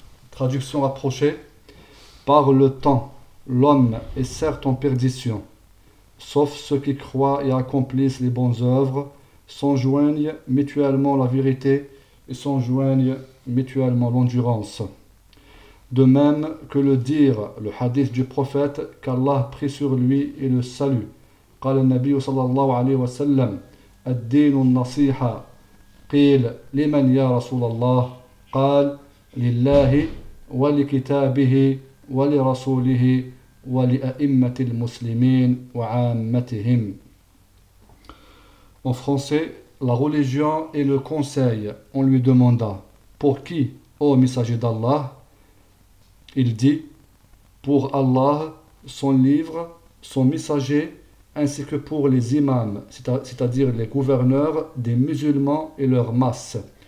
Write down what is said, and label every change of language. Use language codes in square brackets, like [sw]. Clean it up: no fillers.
[fr] Traduction rapprochée. Par le temps, l'homme est certes en perdition, sauf ceux qui croient et accomplissent les bonnes œuvres, s'enjoignent mutuellement la vérité et s'enjoignent mutuellement l'endurance. De même que le dire, le hadith du prophète, qu'Allah prie sur lui et le salue. [ar] قال النبي صلى الله عليه وسلم الدين النصيحة قيل لمن يا رسول الله قال لله ولكتابه ولرسوله ولأئمة المسلمين وعامتهم. [fr] En français, la religion et le conseil, on lui demanda, pour qui, ô messager d'Allah? Il dit, pour Allah, son livre, son messager, ainsi que pour les imams, c'est-à-dire les gouverneurs des musulmans et leur masse.